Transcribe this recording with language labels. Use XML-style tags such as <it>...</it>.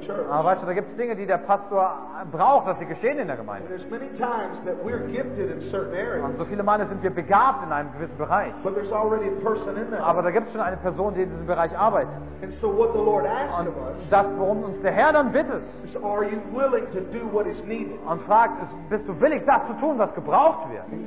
<de>Aber weißt du, da gibt es Dinge, die der Pastor braucht, dass sie geschehen in der Gemeinde.</de> <en>There's many times that we're gifted in certain areas,</en> <de>und so viele Male sind wir begabt in einem gewissen Bereich.</de> <en>But there's already a person in that.</en> <de>Aber da gibt es schon eine Person, die in diesem Bereich arbeitet.</de> <en>And so what the Lord asks</en> <de>und</de> <en>of us,</en> <de>das, worum uns der Herr dann bittet,</de> <en>is, are you willing to do what is needed?</en> <de>Und fragt, bist du willig, das zu tun, was gebraucht wird?</de>